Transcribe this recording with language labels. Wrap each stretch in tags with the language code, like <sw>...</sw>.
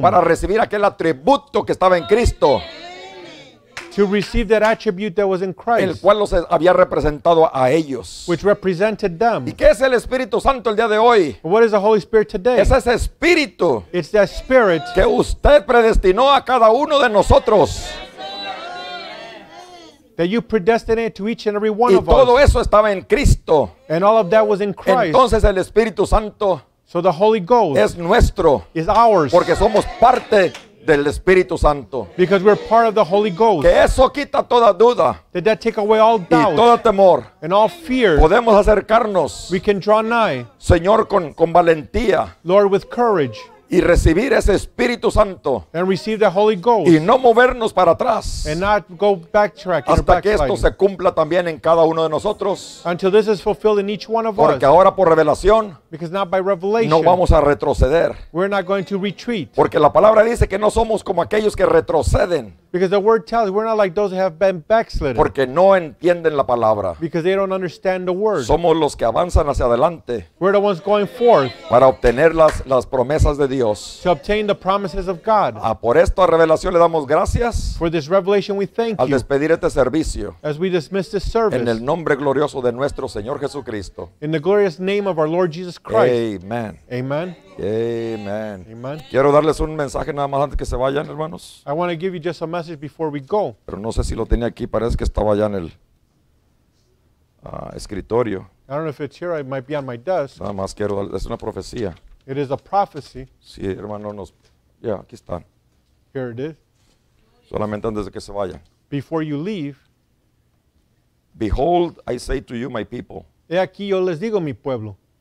<es>Para recibir aquel atributo que estaba en Cristo.</es> <en>To receive that attribute that was in Christ.</en> <es>El cual los había representado a ellos.</es> <en>Which represented them.</en> <es>¿Y qué es el Espíritu Santo el día de hoy?</es> <en>What is the Holy Spirit today?</en> <es>Es ese Espíritu.</es> <en>It's that Spirit.</en> <es>Que usted predestinó a cada uno de nosotros.</es> <en>That you predestinated to each and every one</en> <es>y</es> <en>of us.</en> <es>Y todo eso estaba en Cristo.</es> <en>And all of that was in Christ.</en> <es>Entonces el Espíritu Santo.</es> <en>So the Holy Ghost.</en> <es>Es nuestro.</es> <en>Is ours.</en> <es>Porque somos parte del Espíritu Santo.</es> <en>Because we're part of the Holy Ghost.</en> <es>Que eso quita toda duda.</es> <en>Did that take away all doubt?</en> <es>Y todo temor.</es> <en>And all fear.</en> <es>Podemos acercarnos.</es> <en>We can draw nigh.</en> <es>Señor, con valentía.</es> <en>Lord, with courage.</en> <es>Y recibir ese Espíritu Santo.</es> <en>And receive the Holy Ghost.</en> <es>Y no movernos para atrás.</es> <en>And not go backtracking.</en> <es>Hasta que esto se cumpla también en cada uno de nosotros.</es> <en>Until this is fulfilled in each one of us.</en> <es>Porque ahora por revelación.</es> <en>Because not by revelation.</en> <es>No vamos a retroceder.</es> <en>We're not going to retreat.</en> <es>Porque la palabra dice que no somos como aquellos que retroceden.</es> <en>Because the word tells we're not like those that have been backslidden.</en> <es>Porque no entienden la palabra.</es> <en>Because they don't understand the word.</en> <es>Somos los que avanzan hacia adelante.</es> <en>We're the ones going forth.</en> <es>Para obtener las promesas de Dios.</es> <en>To obtain the promises of God.</en> <es>A por esta revelación le damos gracias.</es> <en>For this revelation we thank you.</en> <es>Al despedir este servicio.</es> <en>As we dismiss this service.</en> <es>En el nombre glorioso de nuestro Señor Jesucristo.</es> <en>In the glorious name of our Lord Jesus Christ.</en> <es>Amen.</es> <en>Amen.</en> <es>Amen.</es> <en>Amen.</en> <es>Quiero darles un mensaje nada más antes que se vayan, hermanos.</es> <en>I want to give you just a message before we go.</en> <es>Pero no sé si lo tenía aquí, parece que estaba allá en el escritorio.</es> <en>I don't know if it's here, it might be on my desk.</en> <es>Nada más quiero darles una profecía.</es> <en>It is a prophecy.</en> <es>Sí, hermano, nos yeah, aquí están.</es> <en>Here it is.</en> <es>Solamente antes de que se vayan.</es> <en>Before you leave. Behold, I say to you, my people.</en> <es>He aquí yo les digo, mi pueblo.</es>